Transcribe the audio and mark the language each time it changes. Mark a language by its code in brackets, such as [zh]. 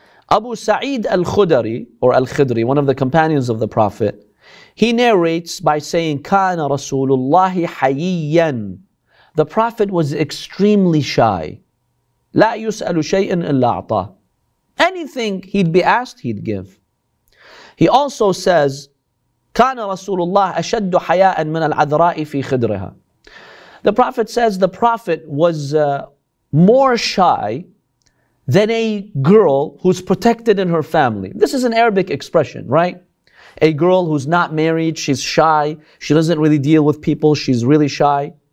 [en] Abu Sa'id al-Khudri, or al-Khidri, one of the companions of the Prophet, he narrates by saying, [ar] كَانَ رَسُولُ اللَّهِ حَيِّيًّا. [en] The Prophet was extremely shy. [ar] لا يسأل شيئا إلا أعطاه. [en] Anything he'd be asked, he'd give. He also says, [ar] كان رسول الله أشد حياء من العذراء في خدرها. [en] The Prophet says the Prophet was more shy than a girl who's protected in her family. This is an Arabic expression, right? A girl who's not married, she's shy, she doesn't really deal with people, she's really shy.